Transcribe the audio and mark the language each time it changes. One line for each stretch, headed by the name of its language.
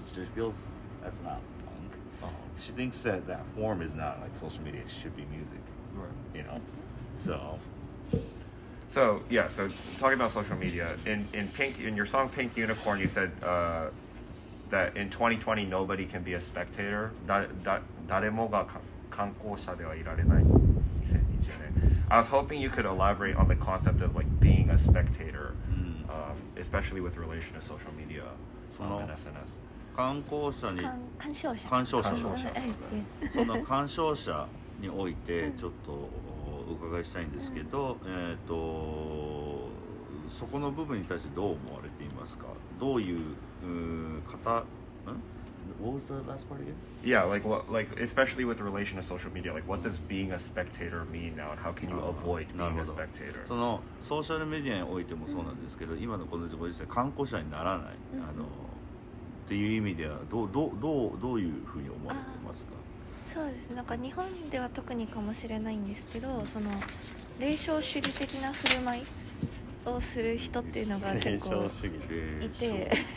English: She just feels that's not punk. Uh-huh. She thinks that that form is not like social media. It should be music, right. You know? So. So, yeah, so talking about social media, in Pink, in your song Pink Unicorn, you said,that in 2020 nobody can be a spectator.
Japanese: 誰もが観光者ではいられない2020年。
English: I was hoping you could elaborate on the concept of like being a spectator、especially with relation to social media and SNS.
Japanese: 観光者に鑑賞者、鑑賞者、その鑑賞者においてちょっとお伺いしたいんですけど、そこの部分に対してどう思われていますか？どういう方、
English: What was the last part again? Yeah, like, what, like, especially with relation to social media, like, what does being a spectator mean now, and how can you avoid being a spectator?
Japanese: そのソーシャルメディアにおいてもそうなんですけど、今のこの状況で観光者にならない、あのっていう意味ではどういうふうに思われていますか？そうです。なんか日本では特にかもしれないんですけど、その霊障主義的な振る舞いをする人っていうのが結構いて、